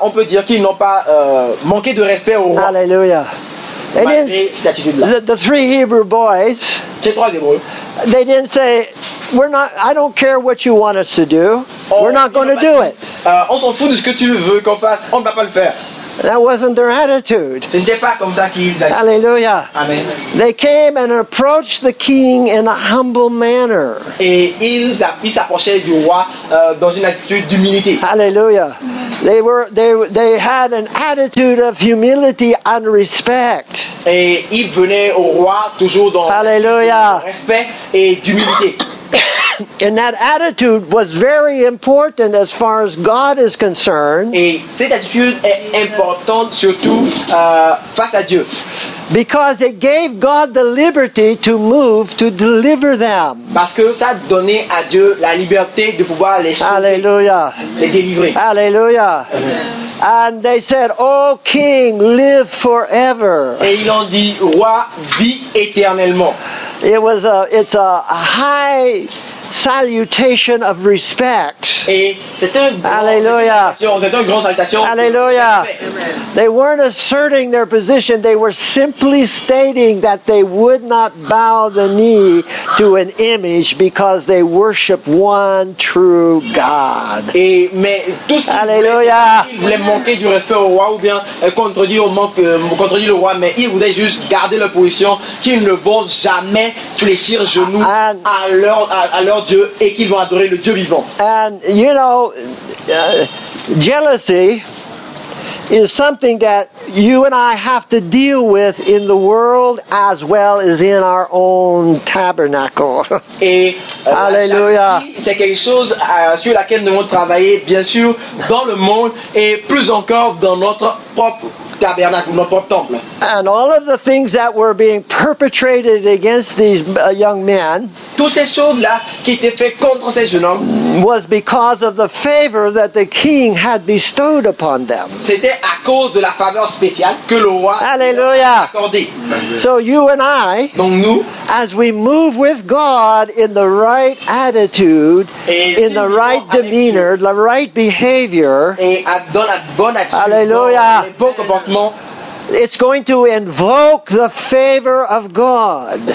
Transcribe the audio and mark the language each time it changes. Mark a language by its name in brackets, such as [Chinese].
[French] On peut dire qu'ils n'ont pas manqué de respect au roi. Alléluia. [English] And then the three Hebrew boys, they didn't say, I don't care what you want us to do, we're not going to do it. [French] On s'en fout de ce que tu veux qu'on fasse, on ne va pas le faire. [English] That wasn't their attitude. [French] Ce n'était pas comme ça qu'ils avaient. Hallelujah. Amen. [English] They came and approached the king in a humble manner. [French] Et ils s'approchaient du roi dans une attitude d'humilité. Hallelujah. [English] They had an attitude of humility and respect. [French] Et ils venaient au roi toujours dans hallelujah. Respect et d'humilité. [English] And that attitude was very important as far as God is concerned. [French] Et cette attitude est importante surtout face à Dieu. [English] Because it gave God the liberty to move to deliver them. [French] Parce que ça donnait à Dieu la liberté de pouvoir les sauver. Alléluia. Les délivrer. Alléluia. Amen. [English] And they said, "Oh King, live forever." [French] Et ils ont dit, roi, vis éternellement. [English] It's a high salutation of respect. [French] Alléluia. C'est une grande salutation. [English] Alléluia. They weren't asserting their position. They were simply stating that they would not bow the knee to an image because they worship one true God. Alléluia. [French] Ils voulaient manquer du respect au roi ou bien contredire le roi, mais ils voulaient juste garder leur position qu'ils ne vont jamais fléchir genoux à leur Dieu. Et qu'ils vont adorer le Dieu vivant. [English] And you know, jealousy is something that you and I have to deal with in the world as well as in our own tabernacle. [French] Et alléluia. C'est quelque chose sur laquelle nous devons travailler, bien sûr, dans le monde et plus encore dans notre propre tabernacle, notre temple. [English] And all of the things that were being perpetrated against these young men, [French] toutes ces choses là qui étaient faites contre ces jeunes hommes, [English] was because of the favor that the king had bestowed upon them. [French] C'était à cause de la faveur spéciale que le roi Alleluia. A accordé. [English] So you and I, [French] donc nous, [English] as we move with God in the right attitude, in the right demeanor, the right behavior, [French] et dans la bonne attitude, Alleluia. Dans les bons comportements, [English] it's going to invoke the favor of God.